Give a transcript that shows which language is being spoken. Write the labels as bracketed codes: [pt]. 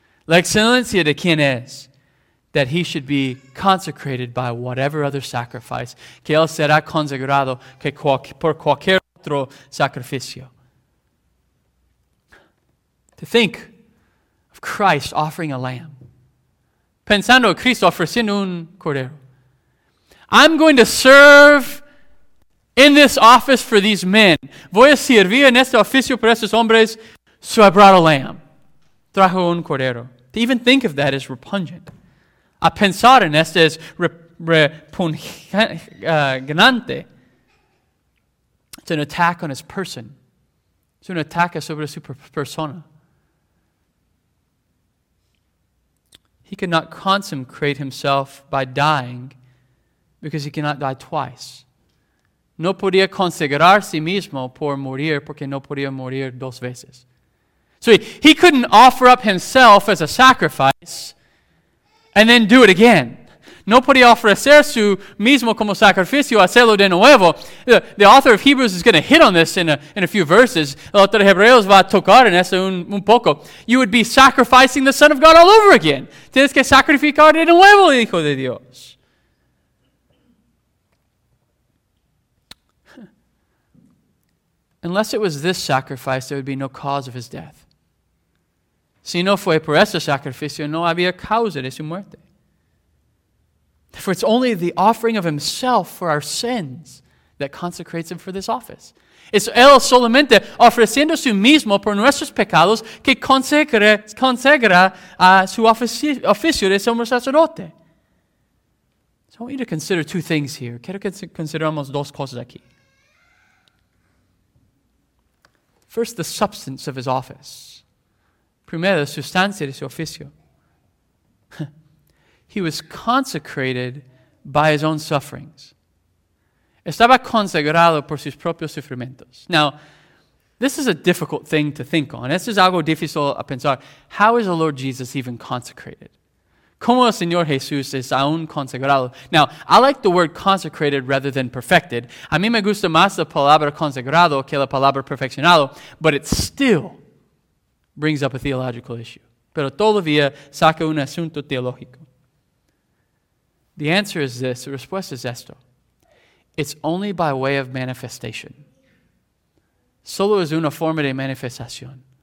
[es] La excelencia de quien es. [en] That he should be consecrated by whatever other sacrifice. [es] Que él será consagrado por cualquier otro sacrificio. [en] To think of Christ offering a lamb. [es] Pensando a Cristo ofreciendo un cordero. [en] I'm going to serve in this office for these men. [es] Voy a servir en este oficio por estos hombres. [en] So I brought a lamb. [es] Trajo un cordero. [en] To even think of that is repugnant. [es] A pensar en este es repugnante. [en] It's an attack on his person. It's an attack [es] sobre su persona. [en] He could not consecrate himself by dying because he cannot die twice. [es] No podía consagrar sí mismo por morir porque no podía morir dos veces. [en] So he couldn't offer up himself as a sacrifice and then do it again. [es] No podía ofrecer su mismo como sacrificio, hacerlo de nuevo. [en] The author of Hebrews is going to hit on this in a few verses. [es] El autor de Hebreos va a tocar en eso un poco. [en] You would be sacrificing the Son of God all over again. [es] Tienes que sacrificar de nuevo el Hijo de Dios. [en] Unless it was this sacrifice, there would be no cause of his death. [es] Si no fue por ese sacrificio, no había causa de su muerte. [en] For it's only the offering of himself for our sins that consecrates him for this office. [es] Es él solamente ofreciendo su mismo por nuestros pecados que consagra su oficio de sumo sacerdote. [en] So I want you to consider two things here. [es] Quiero que consideramos dos cosas aquí. [en] First, the substance of his office. [es] Primero, la sustancia de su oficio. [en] He was consecrated by his own sufferings. [es] Estaba consagrado por sus propios sufrimientos. [en] Now, this is a difficult thing to think on. [es] Esto es algo difícil a pensar. [en] How is the Lord Jesus even consecrated? [es] ¿Cómo el Señor Jesús es aún consagrado? [en] Now, I like the word consecrated rather than perfected. [es] A mí me gusta más la palabra consagrado que la palabra perfeccionado, [en] but it still brings up a theological issue. [es] Pero todavía saca un asunto teológico. [en] The answer is this, the [es] respuesta es esto. [en] It's only by way of manifestation. [es] Solo es una forma de manifestación.